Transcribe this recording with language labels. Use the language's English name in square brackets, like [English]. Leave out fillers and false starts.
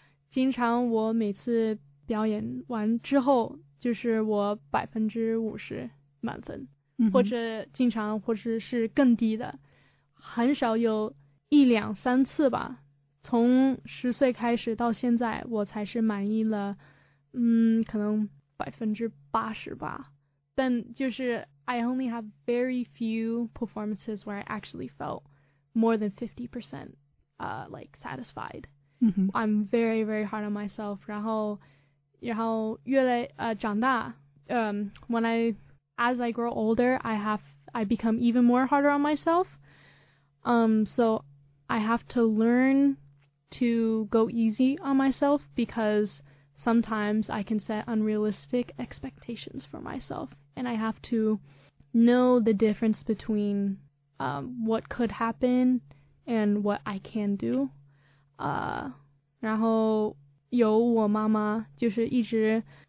[Chinese] 经常我每次表演完之后，就是我50%满分，或者是更低的，很少有一两三次吧。从10岁开始到现在，我才是满意了，可能80%吧。但就是 [English] I only have very few performances where I actually felt more than 50% like satisfied、 mm-hmm. I'm very very hard on myself。 [Chinese] 然后越来长大 [English] when I as I grow older I become even more harder on myself。 So I have to learn to go easy on myself becauseSometimes I can set unrealistic expectations for myself, and I have to know the difference between what could happen and what I can do. [Chinese] 然后有我妈妈就是一直